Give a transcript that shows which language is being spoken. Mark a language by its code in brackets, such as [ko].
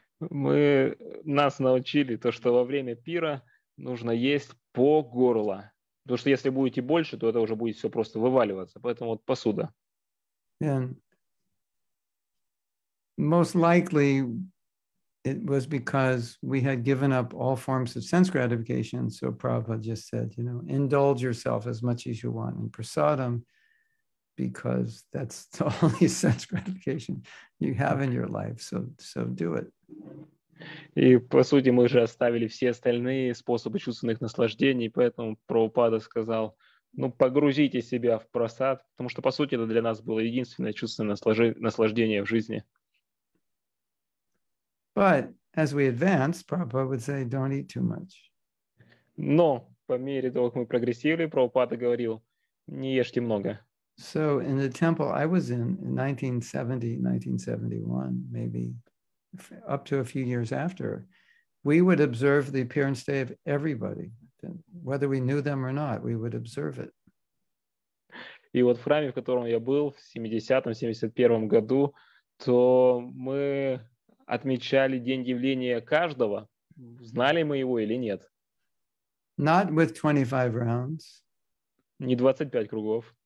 [ru] Мы нас научили то, что во время пира нужно есть по горло. Потому что если будете больше, то это уже будет все просто вываливаться. Поэтому вот посуда. [en] And most likely it was because we had given up all forms of sense gratification. So Prabhupada just said, you know, indulge yourself as much as you want in prasadam, because that's the only sense gratification you have in your life. So do it. [ru] И, по сути, мы же оставили все остальные способы чувственных наслаждений, поэтому Прабхупада сказал, ну, погрузите себя в прасад, потому что, по сути, это для нас было единственное чувственное наслаждение в жизни. [en] But as we advanced, Prabhupada would say, don't eat too much. [ru] Но, по мере того, как мы прогрессировали, Прабхупада говорил, не ешьте много. [en] So, in the temple I was in 1970-1971, maybe up to a few years after, we would observe the appearance day of everybody, whether we knew them or not, we would observe it. [ru] И вот в храме, в котором я был в 70-71 году, то мы отмечали день явления каждого, знали мы его или нет. [en] Not with 25 rounds. [ru] Не 25 кругов.